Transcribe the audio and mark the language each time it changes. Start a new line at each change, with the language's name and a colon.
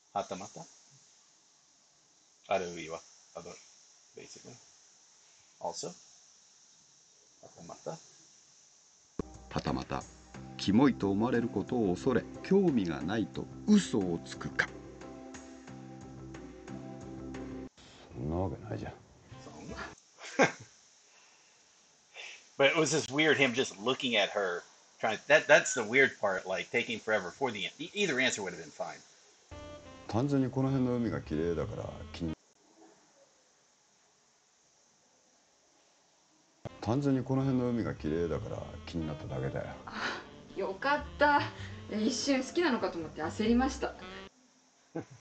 Japanese: はたまた。あるいは、
English: basically. Also.
Japanese: はたまた。はたまたキモいと思われることを恐れ、興味がないと嘘をつくか。そんなわけないじゃん。そんな。
English: But it was just weird him just looking at her. That's the weird part, like taking forever for the answer. Either answer would have been fine.
Japanese: 単純にこの辺の海が綺麗だから気に。単純にこの辺の海が綺麗だから気になっただけだよ。よかった。一瞬好きなのかと思って焦りました。